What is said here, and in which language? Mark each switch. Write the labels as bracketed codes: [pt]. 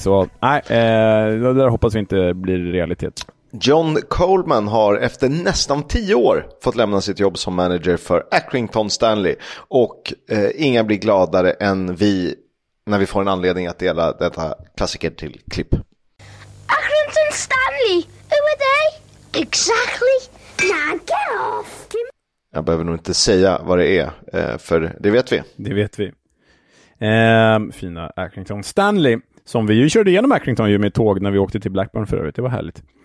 [sv] Så nej, det där hoppas vi inte blir realitet. John Coleman har efter nästan 10 år fått lämna sitt jobb som manager för Accrington Stanley. Och inga blir gladare än vi när vi får en anledning att dela detta klassiker till klipp. [en] Accrington Stanley, who are they? Exactly. Now get off. [sv] Jag behöver nog inte säga vad det är, för det vet vi. Det vet vi. Fina Accrington Stanley, som vi ju körde igenom Accrington ju med tåg när vi åkte till Blackburn för övrigt. Det var härligt.